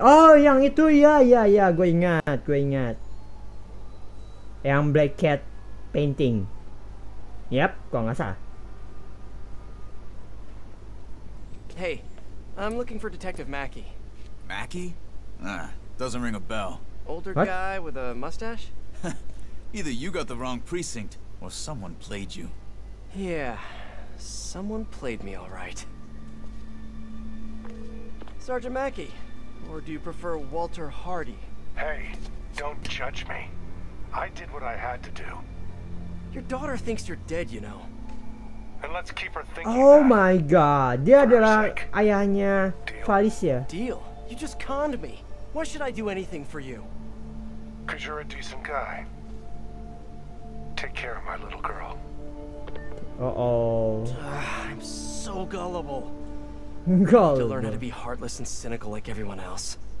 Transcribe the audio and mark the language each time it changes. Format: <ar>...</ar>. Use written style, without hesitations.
<id>Oh, yang itu ya, ya, ya, gue ingat. Yang Black Cat painting. Yep, gua enggak salah.</id> <en>Hey, I'm looking for Detective Mackie. Mackie? Doesn't ring a bell. Older what? Guy with a mustache? Either you got the wrong precinct, or someone played you. Yeah, someone played me all right. Sergeant Mackie, or do you prefer Walter Hardy? Hey, don't judge me. I did what I had to do. Your daughter thinks you're dead, you know. And let's keep her thinking. Oh my god,</en> <id>dia adalah ayahnya Felicia.</id> <en>Deal? You just conned me. Why should I do anything for you? Because you're a decent guy. Take care of my little girl. I'm so gullible. Gullible. To learn how to be heartless and cynical like everyone else.</en>